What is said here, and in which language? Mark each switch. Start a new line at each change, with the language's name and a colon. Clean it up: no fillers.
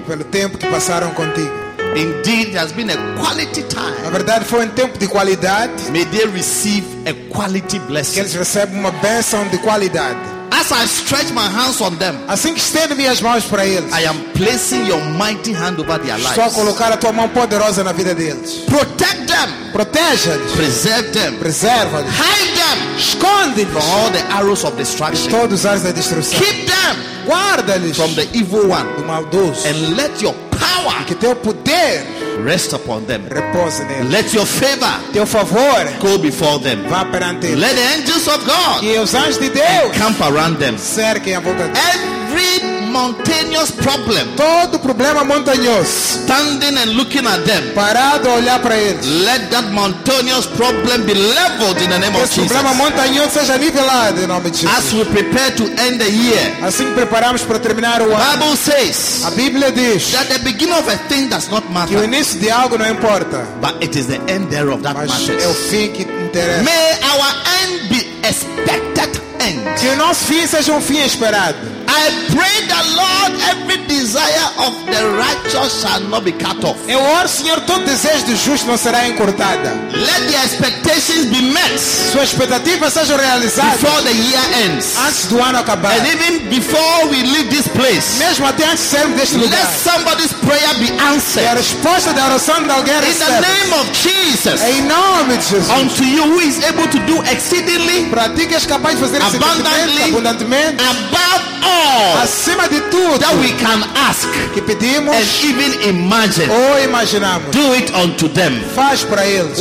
Portuguese: Pelo tempo que passaram contigo.
English: Indeed, it has been a quality time.
Portuguese: Na verdade, foi tempo de qualidade.
English: May they receive a quality blessing.
Portuguese: Que eles recebam uma bênção de qualidade.
English: As I stretch my hands on them,
Portuguese: assim que estendo minhas mãos para eles,
English: I am placing your mighty hand over their lives.
Portuguese: Estou a colocar a tua mão poderosa na vida deles.
English: Protect them.
Portuguese: Protege-lhes.
English: Preserve them.
Portuguese: Preserva-lhes.
English: Hide them.
Portuguese: Esconde-lhes.
English: From all the arrows of destruction.
Portuguese: De todos os arcos da destruição.
English: Keep them.
Portuguese: Guarda-lhes.
English: From the evil one.
Portuguese: Do maldoso.
English: And let your power.
Portuguese: Que teu poder.
English: Rest upon them.
Portuguese: Repose neles.
English: Let your favor.
Portuguese: Teu favor.
English: Go before them.
Portuguese: Vá perante eles.
English: Let the angels of God.
Portuguese: Que os anjos de Deus.
English: Camp around them.
Portuguese: Cerquem a volta deles.
English: Every mountainous problem.
Portuguese: Todo problema montanhoso.
English: Standing and looking at them.
Portuguese: Parado a olhar para eles.
English: Let that mountainous problem be leveled in the name of Jesus.
Portuguese: Problema montanhoso seja nivelado em nome de Jesus.
English: As we prepare to end the year.
Portuguese: Assim que preparamos para terminar o ano.
English: Bible says.
Portuguese: A Bíblia diz.
English: That the beginning of a thing does not matter.
Portuguese: Que o início de algo não importa.
English: But it is the end thereof that matters.
Portuguese: Mas é o fim que interessa.
English: May our end be expected end.
Portuguese: Que o nosso fim seja fim esperado.
English: I pray the Lord every desire of the righteous shall not be cut off.
Portuguese: Eu oro, Senhor, todo desejo do justo não será encurtada.
English: Let the expectations be met.
Portuguese: Sua expectativa seja realizada.
English: Before the year ends.
Portuguese: Antes do ano acabar.
English: And even before we leave this place.
Portuguese: Mesmo até antes de sairmos deste lugar.
English: Let somebody's prayer be answered.
Portuguese: E a resposta da oração de alguém receba.
English: In the name of Jesus.
Portuguese: Em nome de Jesus.
English: Unto you who is able to do exceedingly.
Portuguese: Para ti que és capaz de fazer abundantemente.
English: Above all.
Portuguese: Acima de tudo,
English: that we can ask,
Portuguese: que pedimos,
English: and even imagine,
Portuguese: ou imaginamos,
English: do it unto them.
Portuguese: Faz para eles.